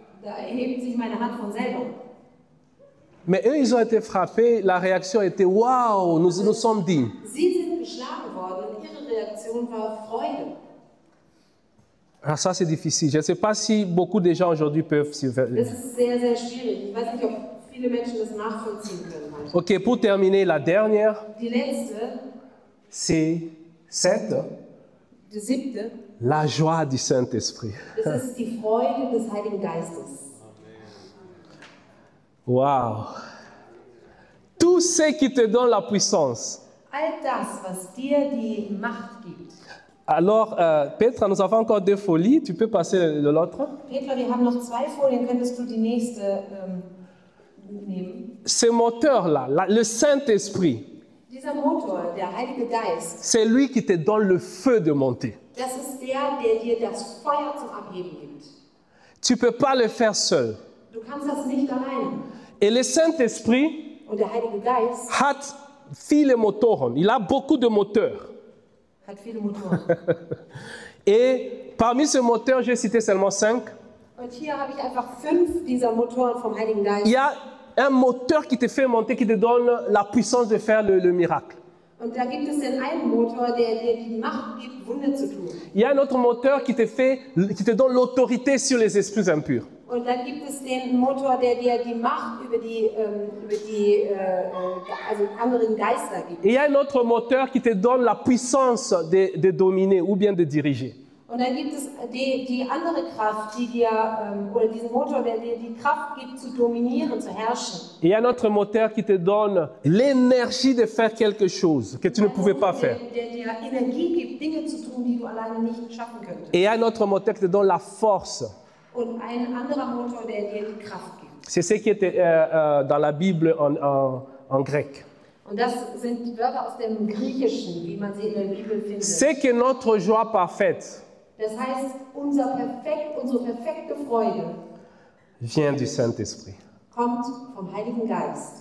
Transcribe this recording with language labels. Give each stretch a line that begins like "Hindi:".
German: Da erhebt sich meine Hand von selber.
French: Mais eux, ils ont été frappés. La réaction était waouh, nous sommes dignes.
German: Sie sind geschlagen worden. Ihre Reaktion war Freude.
French: Ah, ça, c'est difficile. Je ne sais pas si beaucoup de gens aujourd'hui peuvent.
German: Das ist sehr, sehr schwierig. Ich weiß nicht, ob viele Menschen das nachvollziehen können.
French: Ok, pour terminer, la dernière.
German: Die letzte.
French: C'est sept.
German: Die siebte.
French: La joie du Saint-Esprit.
German: Das ist die Freude des Heiligen Geistes.
French: Wow. Tout ce qui te donne la puissance.
German: All das, was dir die Macht gibt.
French: Alors, Petra, nous avons encore deux folies. Tu peux passer l'autre.
German: Petra, wir haben noch zwei Folien. Könntest du die nächste nehmen?
French: Ce moteur-là, le Saint-Esprit.
German: Dieser Motor, der Heilige Geist.
French: C'est lui qui te donne le feu de monter.
German: Das ist der dir das Feuer zum Abheben gibt.
French: Tu peux pas le faire seul.
German: Du kannst das nicht alleine.
French: Et le Saint-Esprit
German: und der Heilige Geist hat viele Motoren.
French: Il a beaucoup de moteurs.
German: Hat viele Motoren.
French: Et parmi ces moteurs, j'ai cité seulement cinq.
German: Und hier habe ich einfach fünf dieser Motoren vom Heiligen Geist.
French: Il y a un moteur qui te fait monter, qui te donne la puissance de faire le miracle.
German: Und da gibt es einen Motor, der die Macht gibt, Wunder zu tun.
French: Il y a un autre moteur qui te donne l'autorité sur les esprits impurs.
German: Und dann gibt es den Motor, der dir die Macht über die anderen Geister gibt.
French: Il y a un autre moteur qui te donne la puissance de dominer ou bien de diriger.
German: Und dann gibt es die andere Kraft, die dir oder diesen Motor, der dir die Kraft gibt zu dominieren, zu herrschen.
French: Il y a un autre moteur qui te donne l'énergie de faire quelque chose que tu ne pouvais pas faire.
German: Der dir Energie gibt, Dinge zu tun, die du alleine nicht schaffen könntest.
French: Et il y a un autre moteur qui te donne la force.
German: Und ein anderer Motor, der dir die Kraft gibt.
French: C'est ce qui était dans la Bible en grec.
German: Und das sind die Wörter aus dem Griechischen, wie man sie in der Bibel findet.
French: C'est que notre joie parfaite.
German: Das heißt, unsere perfekte Freude
French: vient du Saint-Esprit.
German: Kommt vom Heiligen Geist.